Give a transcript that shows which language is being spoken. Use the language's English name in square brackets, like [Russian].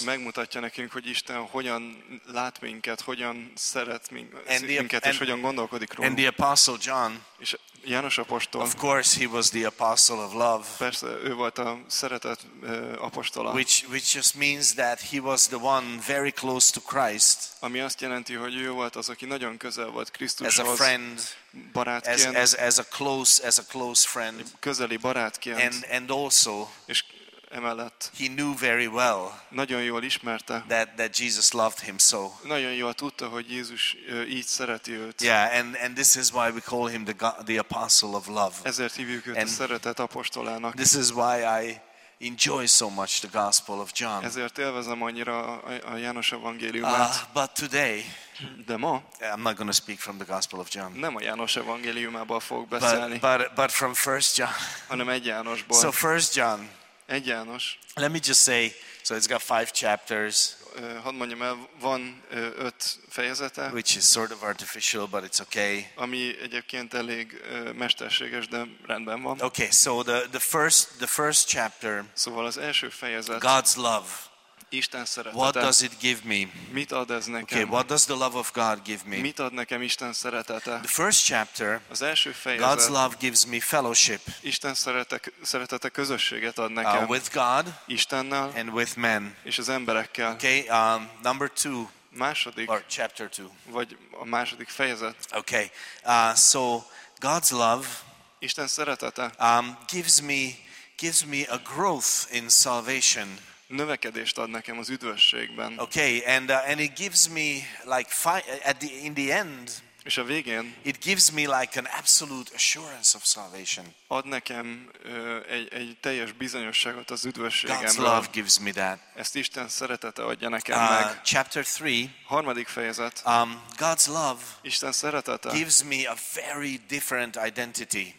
[Hungarian] Megmutatja nekünk, hogy Isten hogyan lát minket, hogyan szeret minket, és hogyan gondolkodik rólunk. [English] And the Apostle John. [Hungarian] És János apostol. [English] Of course he was the apostle of love. [Hungarian] Persze, ő volt a szeretet apostola. [English] Which just means that he was the one very close to Christ. [Hungarian] Ami azt jelenti, hogy ő volt az, aki nagyon közel volt Krisztushoz. [English] As a friend, [Hungarian] barátként. [English] As a close friend. [Hungarian] Közeli barátként. [English] And also. [Hungarian] És emellett. [English] He knew very well. [Hungarian] Nagyon jól ismerte. [English] That Jesus loved him so. [Hungarian] Nagyon jól tudta, hogy Jézus így szereti őt. [English] Yeah, and this is why we call him the apostle of love. [Hungarian] Ezért hívjuk őt and a szeretet apostolának. [English] This is why I enjoy so much the gospel of John. [Hungarian] Ezért élvezem annyira a János evangéliumát. [English] But today. [Hungarian] De ma. [English] I'm not going to speak from the gospel of John. [Hungarian] Nem a János evangéliumából fogok beszélni. [English] But from 1 John. [Hungarian] Hanem egy Jánosból. [English] So 1 John. [Hungarian] Egy János. [English] Let me just say, so it's got 5 chapters. [Hungarian] Hadd mondjam el, van 5 fejezete. [English] Which is sort of artificial, but it's okay. [Hungarian] Ami egyébként elég mesterséges, de rendben van. [English] Okay, so the first chapter. [Hungarian] Szóval az első fejezet. [English] God's love. [Hungarian] Isten szeretete. [English] What does it give me? [Hungarian] Mit ad ez nekem? [English] Okay, what does the love of God give me? [Hungarian] Mit ad nekem Isten szeretete? [English] The first chapter. [Hungarian] Az első fejezet. [English] God's love gives me fellowship. [Hungarian] Isten szeretete közösséget ad nekem. [English] With God. [Hungarian] Istennel. [English] And with men. [Hungarian] És az emberekkel. [English] Okay, number 2. [Hungarian] Második. [English] Or chapter 2. [Hungarian] Vagy a második fejezet. [English] Okay, so God's love. [Hungarian] Isten szeretete. [English] Gives me a growth in salvation. [Hungarian] Növekedést ad nekem az üdvösségben. [English] Okay, and it gives me like in the end. [Hungarian] És a végén. [English] It gives me like an absolute assurance of salvation. [Hungarian] Ad nekem egy teljes bizonyosságot az üdvösségemről. [English] God's love gives me that. [Hungarian] Ezt Isten szeretete adja nekem meg. [English] Chapter 3. [Hungarian] Harmadik fejezet. [English] God's love. [Hungarian] Isten szeretete. [English] Gives me a very different identity.